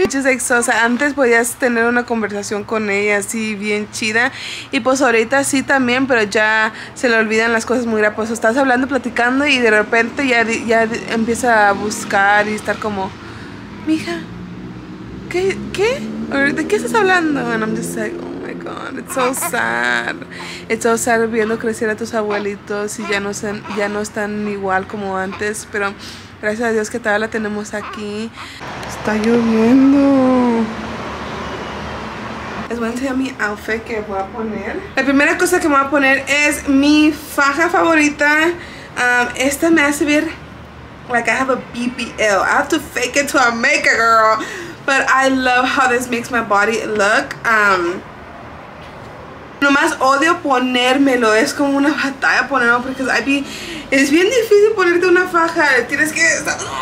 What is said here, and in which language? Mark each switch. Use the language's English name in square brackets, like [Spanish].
[English] Bitches like, so, [Spanish] o sea, antes podías tener una conversación con ella así bien chida. Y pues ahorita sí también, pero ya se le olvidan las cosas muy rápido. O sea, estás hablando, platicando y de repente ya empieza a buscar y estar como, mija, ¿qué? ¿De qué estás hablando? [English] And I'm just like, oh my god, it's so sad. It's so sad [Spanish] viendo crecer a tus abuelitos y ya no están igual como antes. Pero gracias a Dios que todavía la tenemos aquí. Está lloviendo. Les voy a enseñar mi outfit que voy a poner. La primera cosa que me voy a poner es mi faja favorita. Esta me hace ver [English] like I have a BBL. I have to fake it till I make it, girl. But I love how this makes my body look. [Spanish] Nomás odio ponérmelo. Es como una batalla ponerlo porque es bien difícil ponerte una faja. Tienes que estar...